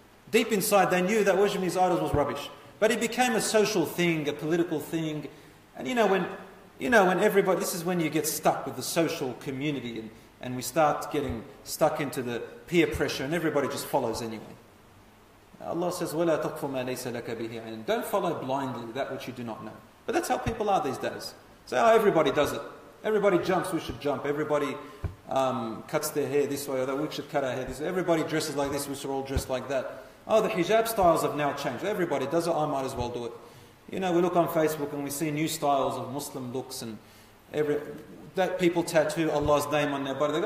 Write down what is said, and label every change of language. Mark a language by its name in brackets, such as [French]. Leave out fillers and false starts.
[English] Deep inside, they knew that worshipping these idols was rubbish. But it became a social thing, a political thing. And this is when you get stuck with the social community and we start getting stuck into the peer pressure and everybody just follows anyway. Allah says, [Arabic] وَلَا تَقْفُ مَا لَيْسَ لَكَ بِهِ عِلْمٍ. [English] Don't follow blindly that which you do not know. But that's how people are these days. Say, oh, everybody does it. Everybody jumps, we should jump. Everybody cuts their hair this way or that, we should cut our hair this way. Everybody dresses like this, we should all dress like that. Oh, the hijab styles have now changed. Everybody does it, I might as well do it. You know, we look on Facebook and we see new styles of Muslim looks and that people tattoo Allah's name on their body.